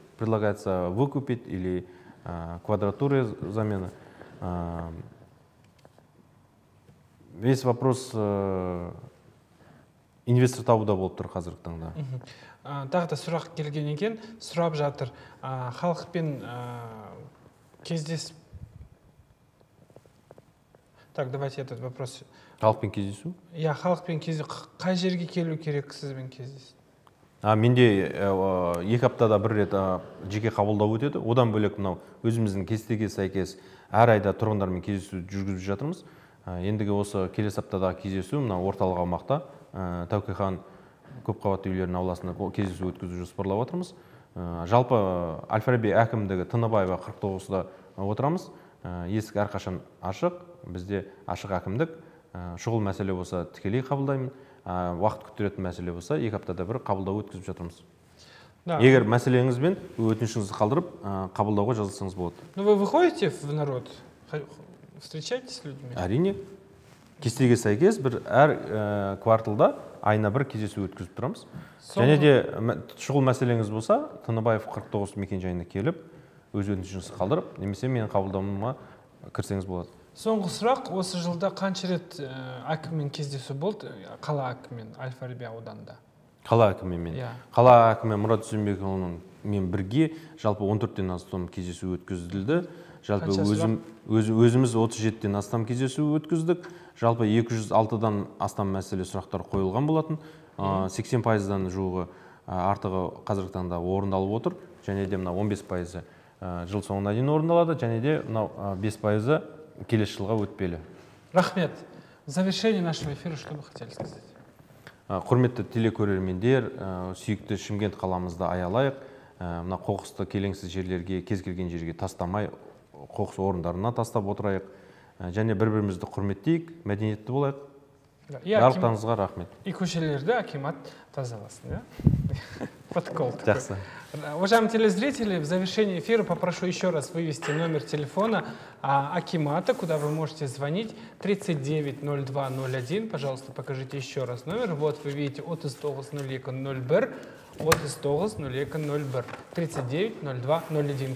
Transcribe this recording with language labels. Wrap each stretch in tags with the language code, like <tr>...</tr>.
<ru>Предлагается выкупить или квадратуры замены. Весь вопрос</ru> <kk>инвестор табуда болып тұр қазіргі таңда. Тағы да сұрақ келген екен, сұрап жатыр. Халықпен кездесіп.</kk> <ru>Так, давайте этот вопрос.</ru> <kk>Халықпен кездесу? Я халықпен кездесу. Қай жерге келу керек сізбен кездесу? Менде екі аптада бір рет жеке қабылдау өтеді. Одан бөлек мынау өзіміздің кестеге сәйкес әр айда тұрғындармен кездесу жүргізіп жатырмыз. Ендігі осы келесі аптадағы кездесу мынау орталық аумақта Тәуке хан көпқабатты үйлерінің ауласында кездесу өткізу жоспарлап отырмыз. Жалпы Әл-Фараби әкімдігі Тыныбаева 49-да отырамыз. Есік әрқашан ашық. Бізде ашық әкімдік, шұғыл мәселе болса тікелей қабылдаймын, уақыт күттіретін мәселе болса екі аптада бір қабылдау өткізіп жатырмыз. Да. Егер мәселеңіз бен өтінішіңізді қалдырып, қабылдауға жазылсаңыз болады.</kk> <ru>Ну, вы выходите в народ? Встречаетесь с людьми?</ru> <kk>Әрине. кестеге сәйкес бір әр кварталда айына бір кездесу өткізіп тұрамыз. Және де шұғыл мәселеңіз болса, Тыныбаев 49 мекенжайына келіп, өз өтінішіңізді қалдырып, немесе менің қабылдауыма кірсеңіз болады. Соңғы сұрақ, осы жылда қанша рет әкіммен кездесу болды? Қала әкіммен Әл-Фараби ауданында. Қала әкіммен. Қала әкімімен Мұрат Үсенбекұлының мен бірге жалпы 14-тен астам кездесу өткізілді. Жалпы өзіміз 37-тен астам кездесу өткіздік. Жалпы 206-дан астам мәселе сұрақтар қойылған болатын. 80%-дан жуығы артығы қазіргі таңда орындалып отыр. Және де мына 15%-ы жыл соңына дейін орындалады. Және де мына 5%-ы келесі жылға өтпелі. Рахмет.</kk> <ru>В завершении нашего эфира, что бы хотели сказать?</ru> <kk>Құрметті телекөрермендер, сүйікті Шымкент қаламызды аялайық. Мына қоқысты келеңсіз жерлерге, кез келген жерге тастамай, қоқыс орындарына тастап отырайық. Және бір-бірімізді құрметтейік, мәдениетті болайық. Жарықтарыңызға рахмет. И көшелерді акимат тазаласын, да?</kk> <ru>Подкол такой.</ru> <kk>Жақсы.</kk> <ru>Уважаемые телезрители, в завершении эфира попрошу еще раз вывести номер телефона акимата, куда вы можете звонить. 390201. Пожалуйста, покажите еще раз номер. Вот вы видите, от истогус 0101. От истогус 0101. 390201.</ru>